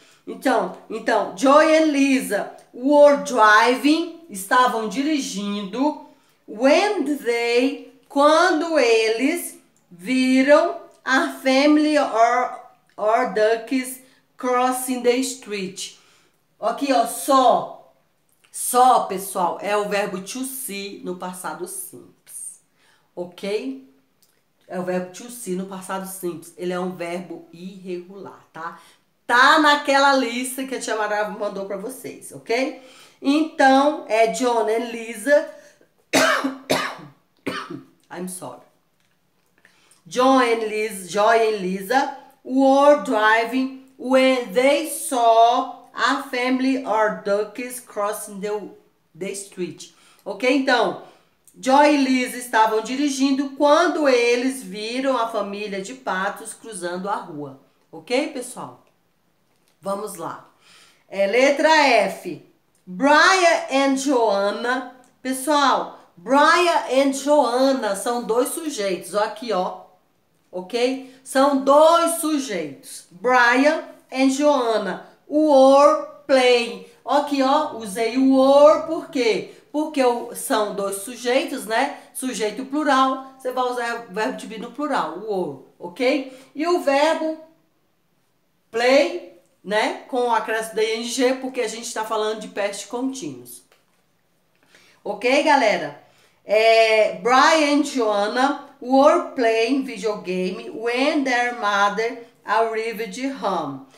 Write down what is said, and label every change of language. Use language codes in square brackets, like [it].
[pt] Então, Joy e Lisa [en] were driving, [pt] estavam dirigindo. [en] When they, [pt] quando eles viram a [en] family or ducks crossing the street. [pt] Aqui, ó, só, pessoal, é o verbo to see no passado simples. Ok? É o verbo to see no passado simples. Ele é um verbo irregular, tá? Tá naquela lista que a Tia Maravilha mandou pra vocês, ok? Então, é John and Lisa. [en] I'm sorry. Joy and Lisa were driving when they saw a family of ducks crossing the street. [pt] Ok, então, Joy e Lisa estavam dirigindo quando eles viram a família de patos cruzando a rua. Ok, pessoal? Vamos lá. É, letra F. Brian and Joanna. Pessoal, Brian and Joanna são dois sujeitos. Ó, aqui, ó. Ok? São dois sujeitos. Brian and Joanna. [en] Were playing. [pt] Ó, aqui, ó. Usei o were por quê? Porque são dois sujeitos, né? Sujeito plural. Você vai usar o verbo to be no plural. Were. Ok? E o verbo play, né? Com o acréscimo da ing, porque a gente está falando de past continuous. Ok, galera? É, [en] Brian and Joanna were playing videogame when their mother arrived home.